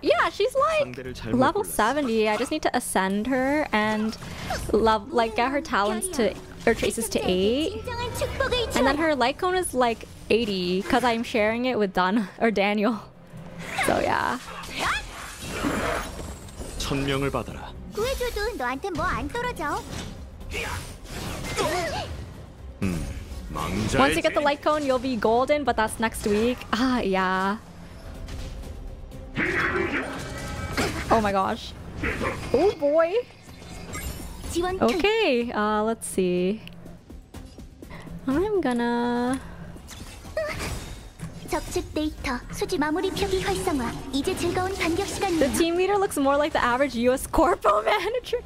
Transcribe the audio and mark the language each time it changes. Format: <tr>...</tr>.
<en>Yeah, she's like level 70. I just need to ascend her and get her talents to, or traces to 8. And then her light cone is like 80 because I'm sharing it with Dan or Daniel. So yeah.</en> <ko>천명을 받아라. 구해줘도 너한테 뭐 안 떨어져.</ko> <en>Once you get the light cone, you'll be golden, but that's next week. Ah, yeah. Oh my gosh. Oh boy. Okay, let's see. I'm gonna...</en> <ko>적측 데이터, 수지 마무리 표기 활성화. 이제 즐거운 반격 시간입니다.</ko> <en>The team leader looks more like the average US Corpo manager.</en>